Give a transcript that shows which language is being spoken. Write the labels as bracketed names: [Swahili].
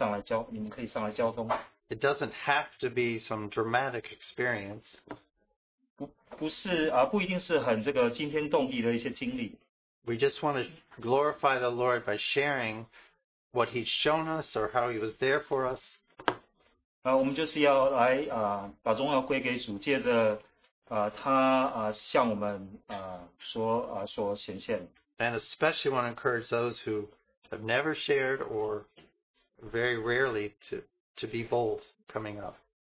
[Chinese] 这个不是一个教导的时间，但是如果主又给你他的话，他的提醒，你可以上来交通。 [English] It doesn't have to be some dramatic experience. [Chinese] 不一定是很惊天动地的一些经历。 [English] We just want to glorify the Lord by sharing what He's shown us or how He was there for us. [Chinese] 我们就是要来把荣耀归给主，借着他向我们所显现。 [English] And especially want to encourage those who have never shared or very rarely to be bold coming up.